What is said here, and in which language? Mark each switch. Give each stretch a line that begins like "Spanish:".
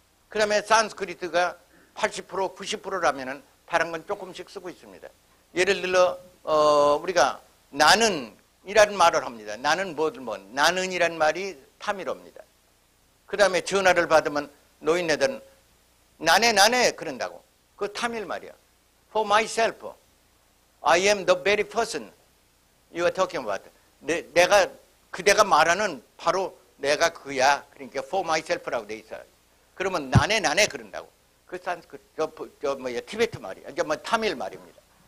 Korean: 그 다음에 산스크리트가 80%, 90%라면은 다른 건 조금씩 쓰고 있습니다. 예를 들어, 우리가 나는 이라는 말을 합니다. 나는 뭐든 뭐, 나는 이란 말이 타밀어입니다. 그 다음에 전화를 받으면 노인네들은 나네, 나네, 그런다고. 그 타밀 말이야.
English: For myself, I am the very person you are talking about.
Korean: 내가, 그대가 말하는 바로 내가 그야. 그러니까
English: for myself
Korean: 라고 돼 있어요. 그러면 나네, 나네, 그런다고. 그 산스크리트, 티베트 말이야. 타밀 말입니다.